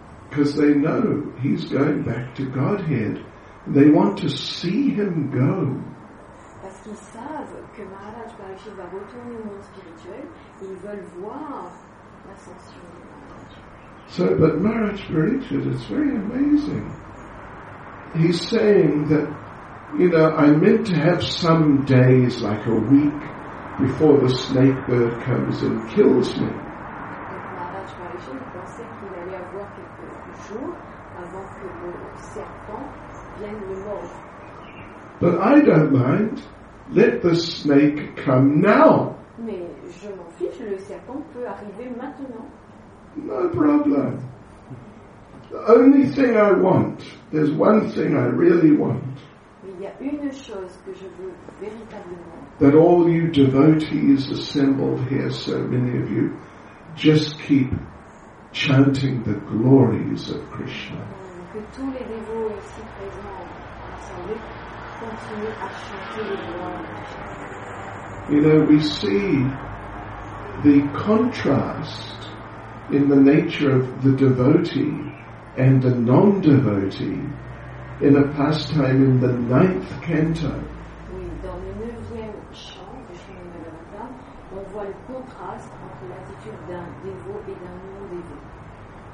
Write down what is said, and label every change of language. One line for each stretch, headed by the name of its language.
English: Because they know he's going back to Godhead. They want to see him go.
French: Parce qu'ils savent que Maharaj Parikshit va retourner au monde spirituel, et ils veulent voir l'ascension de Maharaj.
English: So, but Maharaj Parikshit, it's very amazing. He's saying that, you know, I meant to have some days, like a week, before the snake bird comes and kills me.
French: Donc Maharaj Parikshit pensait qu'il allait avoir quelques jours avant que le serpent vienne le mordre.
English: But I don't mind. Let the snake come now.
French: Mais je m'en fiche, le serpent peut arriver maintenant.
English: No problem. The only thing I want, there's one thing I really want.
French: Il y a une chose que je veux véritablement.
English: That all you devotees assembled here, so many of you, just keep chanting the glories of Krishna.
French: Que tous les dévots ici présents ensemble.
English: You know, we see the contrast in the nature of the devotee and the non-devotee in a pastime in the ninth canto.
French: Oui, dans le neuvième chant du Shrimad Bhagavatam, on voit le contraste entre l'attitude d'un dévot et d'un non-dévot.